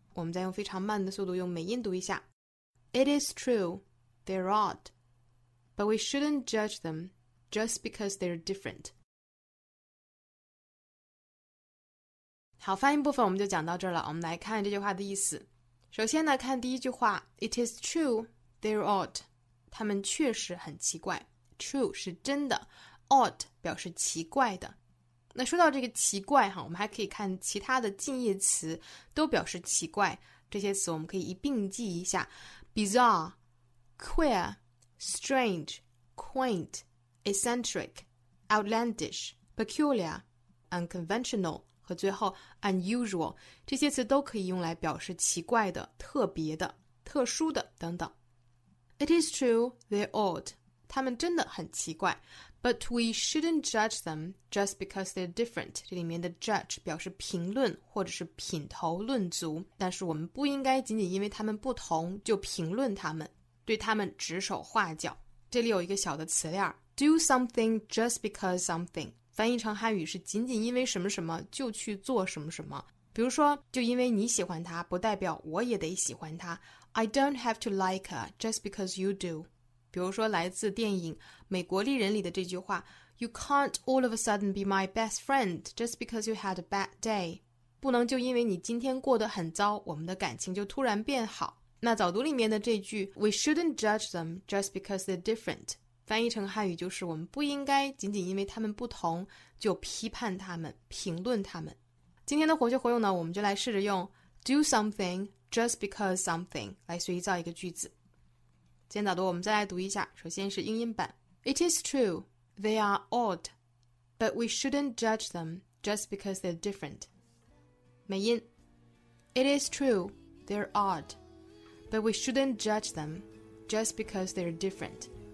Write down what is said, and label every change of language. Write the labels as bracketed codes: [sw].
[zh] 我们再用非常慢的速度用美音读一下。 [en] It is true, they're odd, but we shouldn't judge them just because they're different. [zh] 好，发音部分我们就讲到这儿了，我们来看这句话的意思。首先呢看第一句话， [en] It is true, they're odd. [zh] 他们确实很奇怪。True 是真的， odd 表示奇怪的。那说到这个奇怪哈，我们还可以看其他的近义词都表示奇怪，这些词我们可以一并记一下。 [en] Bizarre, queer, strange, quaint, eccentric, outlandish, peculiar, unconventional, [zh] 和最后 unusual, 这些词都可以用来表示奇怪的、特别的、特殊的等等。 [en] It is true, they're odd. [zh] 他们真的很奇怪。 [en] But we shouldn't judge them just because they're different. [zh] 这里面的 judge 表示评论或者是品头论足，但是我们不应该仅仅因为他们不同就评论他们，对他们指手画脚。这里有一个小的词链， [en] Do something just because something. [zh] 翻译成汉语是仅仅因为什么什么就去做什么什么，比如说就因为你喜欢他不代表我也得喜欢他， [en] I don't have to like her just because you do. [zh] 比如说来自电影《美国丽人》里的这句话， [en] You can't all of a sudden be my best friend just because you had a bad day. [zh] 不能就因为你今天过得很糟我们的感情就突然变好。那早读里面的这句 [en] We shouldn't judge them just because they're different. [zh] 翻译成汉语就是我们不应该仅仅因为他们不同就批判他们、评论他们。今天的活学活用呢，我们就来试着用 [en] do something just because something [zh] 来随意造一个句子。今天导读我们再来读一下，首先是英音版。 [en] It is true, they are odd, but we shouldn't judge them just because they're different. [zh] 美音。 [en] It is true, they're odd, but we shouldn't judge them just because they're different.